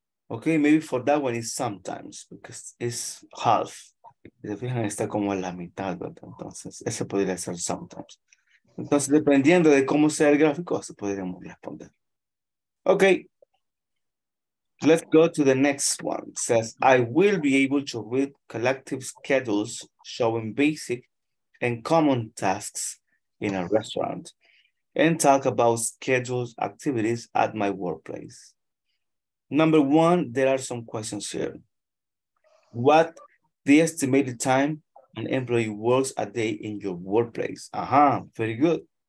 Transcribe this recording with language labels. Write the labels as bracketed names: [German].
[English] Okay, maybe for that one is sometimes, because it's half. [Spanish] Se fijan, está como a la mitad, ¿verdad? Entonces, ese podría ser sometimes. Entonces, dependiendo de cómo sea el gráfico, se podríamos responder. [English] Okay. Let's go to the next one. It says, I will be able to read collective schedules showing basic and common tasks in a restaurant and talk about scheduled activities at my workplace. Number one, there are some questions here. What the estimated time an employee works a day in your workplace? Very good.